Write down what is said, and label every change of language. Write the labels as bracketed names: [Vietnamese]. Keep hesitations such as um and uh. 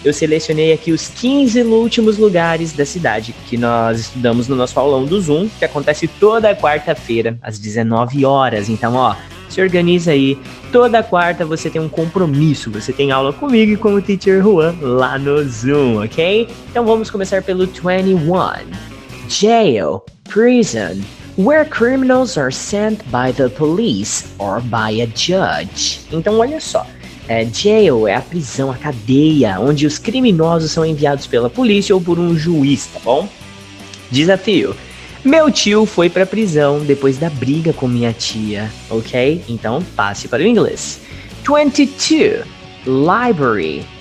[Portuguese] Eu selecionei aqui os 15 últimos lugares da cidade que nós estudamos no nosso aulão do Zoom, que acontece toda quarta-feira, às 19 horas. Então, ó, se organiza aí, toda quarta você tem um compromisso. Você tem aula comigo e com o Teacher Juan lá no Zoom, ok? Então vamos começar pelo 21. [English] Jail, prison, where criminals are sent by the police or by a judge. [Portuguese] Então olha só. É jail é a prisão, a cadeia, onde os criminosos são enviados pela polícia ou por um juiz, tá bom? Desafio. Meu tio foi para a prisão depois da briga com minha tia, ok? Então passe para o inglês. 22. Library.